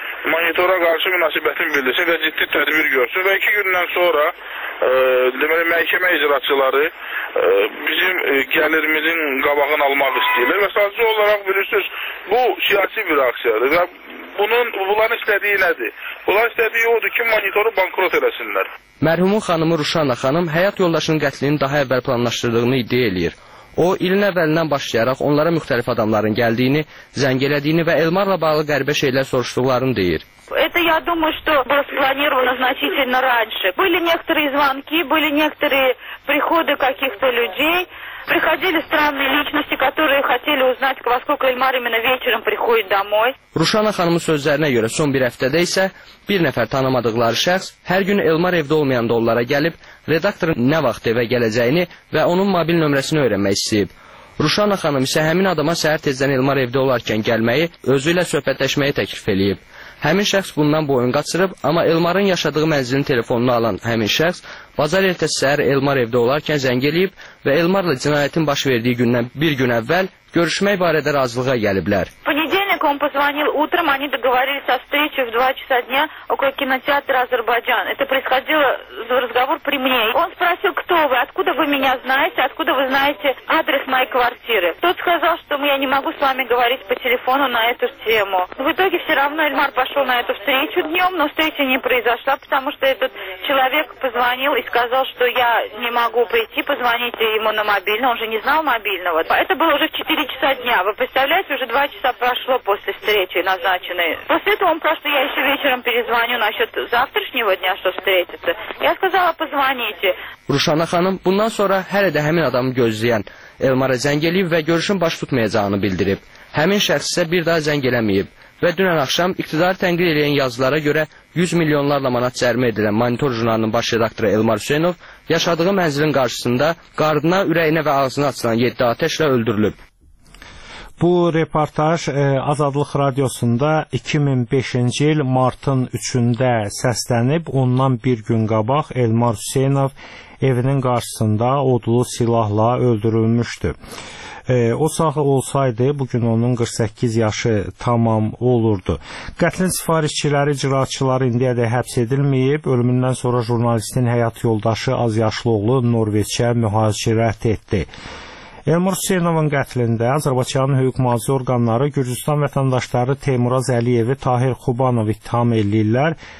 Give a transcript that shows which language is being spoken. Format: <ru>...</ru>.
<az>monitora karşı münasibetini bildirsin ve ciddi tedbir görsün ve iki günden sonra deməli, məhkəmə icraçıları bizim gəlirimizin qabağını almaq istəyirlər və sadəcə olaraq bilirsiniz, bu siyasi bir aksiyadır və bunların istədiyi nədir? Bunların istədiyi odur ki, monitoru bankrot eləsinlər. Mərhumun xanımı Ruşana xanım həyat yoldaşının qətlini daha əvvəl planlaşdırdığını iddia eləyir. O, ilin əvvəlindən başlayaraq onlara müxtəlif adamların gəldiyini, zəng elədiyini və Elmarla bağlı qəribə şeylər soruşduqlarını deyir.</az> <ru>Это я думаю, что было спланировано значительно раньше. Были некоторые звонки, были некоторые приходы каких-то людей. Приходили странные личности, которые хотели узнать, во сколько Эльмар именно вечером приходит домой.</ru> <az>Рушана ханымın sözlərinə görə son bir həftədə isə bir nəfər tanımadıqları şəxs hər gün Elmar evdə olmayanda onlara gəlib redaktorun nə vaxt evə gələcəyini və onun mobil nömrəsini öyrənmək istəyib. Ruşana xanım isə həmin adama səhər tezdən Elmar evdə olarkən gəlməyi, özü ilə söhbətləşməyi təklif eləyib. Həmin şəxs bundan boyun qaçırıb, amma Elmarın yaşadığı mənzilin telefonunu alan həmin şəxs bazar ertəsi səhər Elmar evdə olarkən zəng eləyib və Elmarla cinayətin baş verdiyi gündən bir gün əvvəl görüşmək barədə razılığa gəliblər.</az> <ru>Он позвонил утром, они договорились о встрече в 2 часа дня около кинотеатра «Азербайджан». Это происходило в разговор при мне. Он спросил, кто вы, откуда вы меня знаете, откуда вы знаете адрес моей квартиры. Тот сказал, что я не могу с вами говорить по телефону на эту тему. В итоге все равно Эльмар пошел на эту встречу днем, но встреча не произошла, потому что этот человек позвонил и сказал, что я не могу прийти, позвоните ему на мобильный. Он же не знал мобильного. Это было уже в 4 часа дня. Вы представляете, уже 2 часа прошло после встречи назначенной. После этого он просто, я еще вечером перезвоню насчет завтрашнего дня, что встретится. Я сказала, позвоните.</ru> <az>Рушана ханым bundan sonra hələ də həmin adamı gözləyən Elmara zəng eləyib və görüşün baş tutmayacağını bildirib. Həmin şəxs isə bir daha zəng eləməyib və dünən axşam iqtidarı tənqid edən yazılara görə 100 milyonlarla manat cərimə edilən Monitor jurnalının baş redaktoru Elmar Hüseynov yaşadığı mənzilin qarşısında qarnına, ürəyinə və ağzına açılan 7 ateşlə öldürülüb. Bu reportaj Azadlıq Radiosunda 2005-ci il martın 3-də səslənib, ondan bir gün qabaq Elmar Hüseynov evinin qarşısında odlu silahla öldürülmüşdü. O sağ olsaydı, bugün onun 48 yaşı tamam olurdu. Qətlin sifarişçiləri, cirayətçiləri indiyə də həbs edilməyib. Ölümündən sonra jurnalistin həyat yoldaşı az yaşlı oğlu Norveçə mühacirət etdi. Elmar Hüseynovun qətlində Azərbaycanın hüquq-mühafizə orqanları Gürcüstan vətəndaşları Teymuraz Əliyevi, Tahir Xubanov ittiham edirlər.</az>